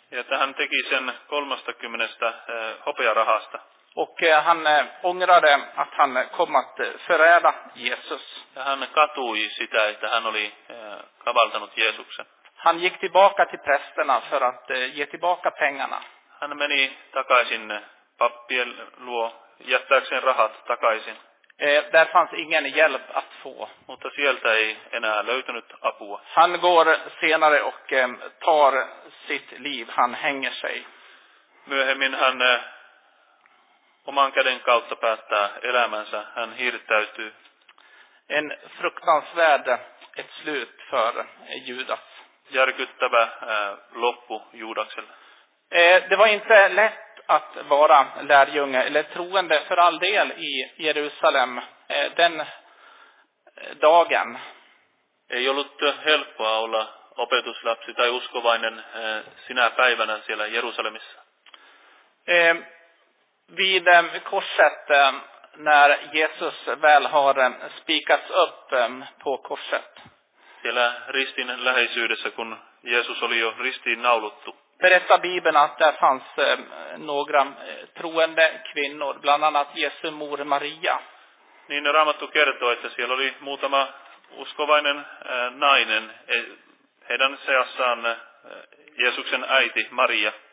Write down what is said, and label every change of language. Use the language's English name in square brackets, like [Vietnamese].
[Finnish] Ja, että hän teki sen 30 hopearahasta. [Swedish] Och han ångrade att han kom att förräda Jesus. [Finnish] Ja, hän katui sitä, että hän oli kavaltanut Jeesuksen. [Swedish] Han gick tillbaka till prästerna för att ge tillbaka pengarna. [Finnish] Hän meni takaisin pappien luo, jättääkseen rahat takaisin. [Swedish] Där fanns ingen hjälp att få. [Finnish] Mutta sieltä ei enää löytynyt apua. [Swedish] Han går senare och tar sitt liv. Han hänger sig. [Finnish] Myöhemmin hän oman käden kautta päättää elämänsä. Hän hirttäytyy. [Swedish] En fruktansvärd ett slut för Judas. [Finnish] Järkyttävä loppu Judakselle. [Swedish] Det var inte lätt att vara lärjunge eller troende för all del i Jerusalem den dagen. [Finnish] Ei ollut helppoa olla opetuslapsi tai uskovainen sinä päivänä siellä Jerusalemissa. [Swedish] Vid korset, när Jesus väl har spikats upp på korset. [Finnish] Siellä ristin läheisyydessä, kun Jeesus oli jo ristiin nauluttu. [Swedish] Berätta Bibeln att där fanns några troende kvinnor, bland annat Jesu mor Maria. [Finnish] Niin Raamattu kertoo, että siellä oli muutama uskovainen nainen, heidän seassaan Jeesuksen äiti Maria.